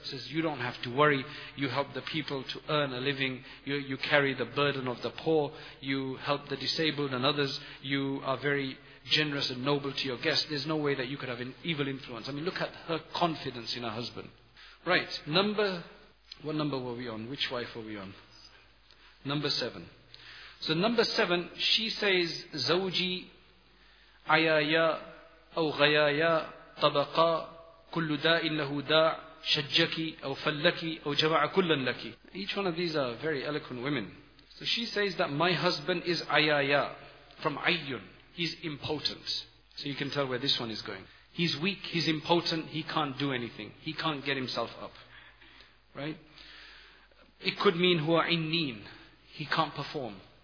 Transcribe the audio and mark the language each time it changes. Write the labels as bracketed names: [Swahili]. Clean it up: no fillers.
[English] He says, you don't have to worry, you help the people to earn a living, you carry the burden of the poor, you help the disabled and others, you are very generous and noble to your guests, there's no way that you could have an evil influence. I mean, look at her confidence in her husband. Right, what number were we on? Which wife were we on? Number 7. So number 7, she says, [Arabic] زوجي عيايا أو غيايا طبقا كل داء له داع شجك أو فلك أو جمع كلا لك. [English] Each one of these are very eloquent women. So she says that my husband is عيايا, from عيون. He's impotent. So you can tell where this one is going. He's weak, he's impotent, he can't do anything. He can't get himself up. Right? It could mean [Arabic] هو عنين. [English] He can't perform.